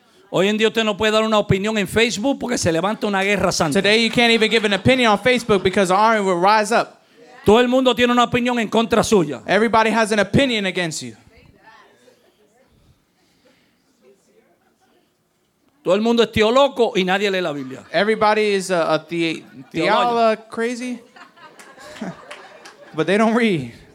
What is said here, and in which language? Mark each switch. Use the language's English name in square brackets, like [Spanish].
[Spanish] Hoy en día usted no puede dar una opinión en Facebook porque se levanta una guerra santa. [English] Today you can't even give an opinion on Facebook because the army will rise up. [Spanish] Todo el mundo tiene una opinión en contra suya. [English] Everybody has an opinion against you. [Spanish] Todo el mundo es tío loco y nadie lee la Biblia. [English] Everybody is a crazy, but they don't read.